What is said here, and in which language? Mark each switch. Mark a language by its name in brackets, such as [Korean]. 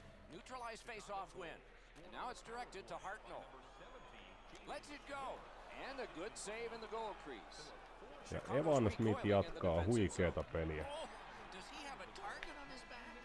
[English] Neutralized face off win. And now it's directed to Hartnell. Let's it go. And a good save in the goal crease. [Finnish] Ja Evan Smith jatkaa huikeeta peliä. [English] Does he have a target on his back?